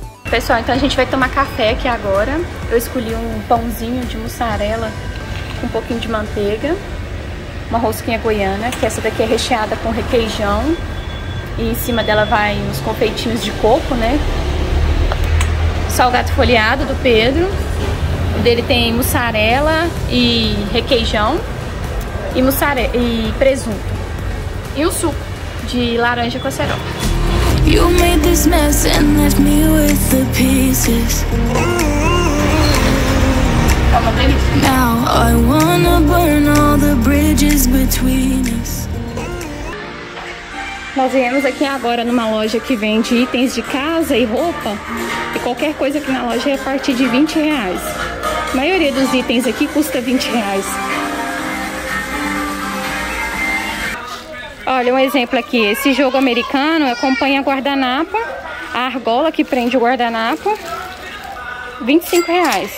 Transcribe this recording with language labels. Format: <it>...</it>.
<pt>Pessoal, então a gente vai tomar café aqui agora. Eu escolhi um pãozinho de mussarela com um pouquinho de manteiga, uma rosquinha goiana, que essa daqui é recheada com requeijão e em cima dela vai uns confeitinhos de coco, né? Salgado folheado do Pedro. O dele tem mussarela e requeijão e mussarela e presunto. E um suco de laranja com acerola.</pt> <en>You made this mess and left me with the pieces. Now I wanna burn all the bridges between us.</en> <pt>Nós viemos aqui agora numa loja que vende itens de casa e roupa. E qualquer coisa aqui na loja é a partir de 20 reais. A maioria dos itens aqui custa 20 reais. Olha, um exemplo aqui, esse jogo americano acompanha guardanapo, a argola que prende o guardanapo, R$25.</pt>